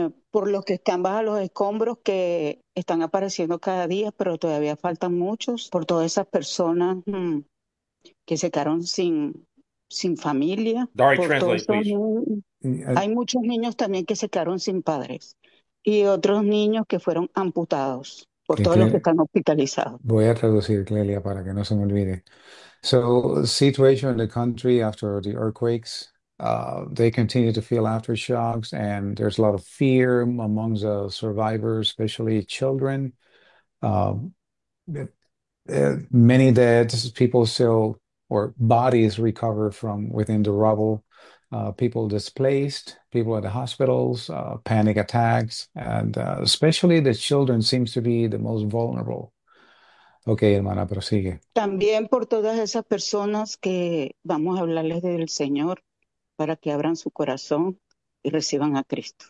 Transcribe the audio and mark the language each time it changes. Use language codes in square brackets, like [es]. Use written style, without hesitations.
[es] Por los que están bajo los escombros que están apareciendo cada día, pero todavía faltan muchos, por todas esas personas que se quedaron sin familia, [en] Dari, [es] por todos [en] translate, [es] esos [en] please. [es] niños. Hay muchos niños también que se quedaron sin padres y otros niños que fueron amputados, por todos los que están hospitalizados. Voy a traducir, Clelia, para que no se me olvide. [en] So, situation in the country after the earthquakes, they continue to feel aftershocks, and there's a lot of fear among the survivors, especially children. Many dead people still. Or bodies recovered from within the rubble, people displaced, people at the hospitals, panic attacks, and especially the children seems to be the most vulnerable. [es] Okay, hermana, prosigue. También por todas esas personas que vamos a hablarles del Señor para que abran su corazón y reciban a Cristo.